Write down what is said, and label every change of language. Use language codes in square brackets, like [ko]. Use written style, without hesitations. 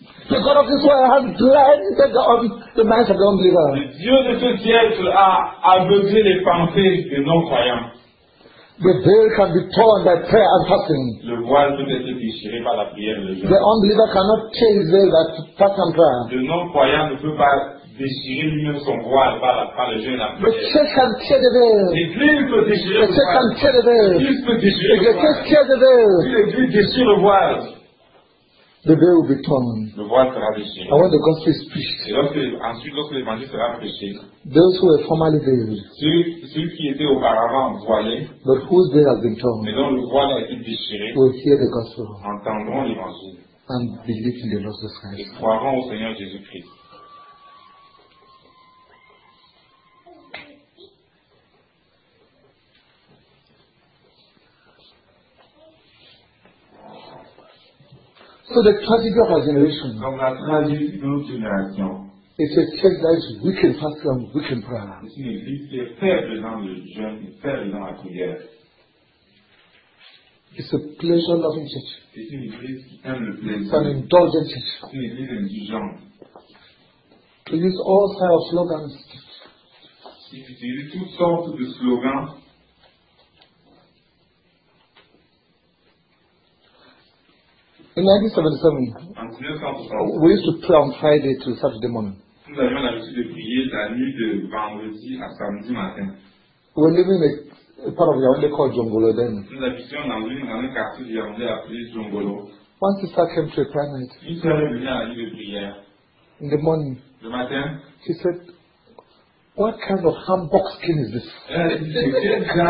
[en] The God of this world has blinded the minds of the unbeliever. [fr] Le Dieu de ce siècle a aveuglé les pensées des non-croyants. [en] The veil can be torn by prayer and fasting. [fr] Le voile peut être déchiré par la prière et le jeûne. [en] The unbeliever cannot tear his veil by fasting and prayer. [fr] Le non-croyant ne peut pas déchirer lui-même son voile par le jeûne et la prière. [en] The church can tear the veil. [fr] L'église peut déchirer le voile. [en] The church can tear the veil. [fr] L'église peut déchirer le voile. [en] The church tears the veil. [fr] L'église déchire le voile. [en] The veil will be torn. [fr] Le voile sera déchiré. [en] And when the gospel is preached, [fr] lorsque l'évangile sera prêché, [en] those who were formerly veiled, [fr] ceux qui étaient auparavant voilés, [en] but whose veil has been torn, [fr] mais dont le voile a été déchiré, [en] will hear the gospel, [fr] entendront l'évangile, [en] and believe in the Lord Jesus Christ, [fr] et croiront au Seigneur Jésus Christ. [en] So the tragedy of our generation. [fr] Donc la tragédie de notre génération. [en] It's a church that is weak in fasting and weak in prayer. [fr] C'est une église qui est faible dans le jeûne et faible dans la prière. [en] It's a pleasure-loving church. [fr] C'est une église qui aime le plaisir. [en] It's an indulgent church. [fr] C'est une église indulgente. [en] We use all types of slogans. [fr] Ils utilisent toutes sortes de slogans. [en] In 1977, we used to pray on Friday to Saturday morning. [fr] Nous avions l'habitude de prier la nuit de vendredi à samedi matin. [en] We were living in a part of Yaoundé called Djongolo then. [fr] Nous habitions dans une grande quartier de Yaoundé appelé Djongolo. [en] One sister came to a prayer night. [fr] Une sœur est venue à la nuit de prière. [en] In the morning. [fr] Le matin. [en] She said, "What kind of hambox skin is this?"